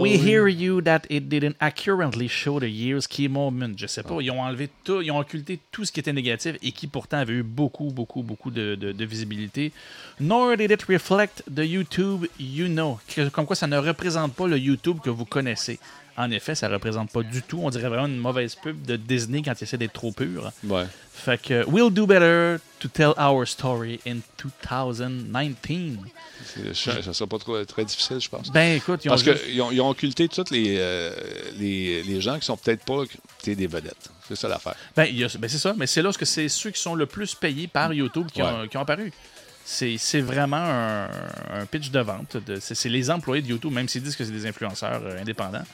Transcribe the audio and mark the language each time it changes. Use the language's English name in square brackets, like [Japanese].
[English] We hear you that it didn't accurately show the year's key moment. [French] Je sais pas. Ils ont enlevé tout, ils ont occulté tout ce qui était négatif et qui pourtant avait eu beaucoup, beaucoup, beaucoup de visibilité. [English] Nor did it reflect the YouTube you know. [French] Comme quoi, ça ne représente pas le YouTube que vous connaissez. En effet, ça ne représente pas du tout. On dirait vraiment une mauvaise pub de Disney quand il essaie d'être trop pur. Ouais. Fait que, [English] we'll do better to tell our story in 2019. [French] Ça ne sera pas trop, très difficile, je pense. Ben écoute, ils ont Parce qu'ils ont occulté tous les gens qui sont peut-être pas des vedettes. C'est ça l'affaire. Ben c'est ça. Mais c'est là que c'est ceux qui sont le plus payés par YouTube qui ont apparu. C'est vraiment un pitch de vente. C'est les employés de YouTube, même s'ils disent que c'est des influenceurs indépendants.